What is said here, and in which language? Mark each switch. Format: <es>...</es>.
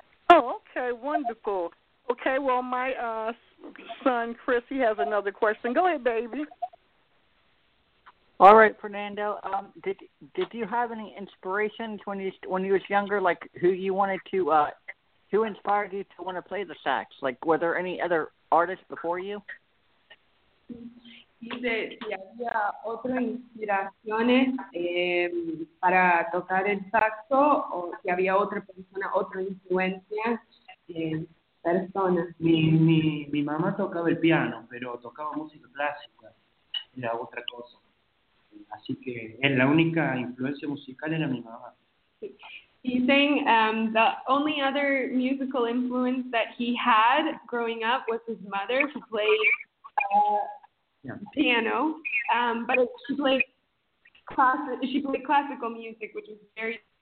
<en>Oh, okay, wonderful. Okay, well, my son Chris, he has another question. Go ahead, baby. All right, Fernando. Did you have any inspirations when you was younger? Like who you wanted to who inspired you to want to play the sax? Like were there any other artists before you?</en> <es>Dice si había otras inspiraciones para tocar el saxo o si había otra persona, otra influencia persona. Mi mamá tocaba el piano, pero tocaba música clásica. Era otra cosa. Así que es la única influencia musical era mi mamá.</es> <en>He's saying the only other musical influence that he had growing up was his mother, who played piano. But she played classical music, which was very.</en>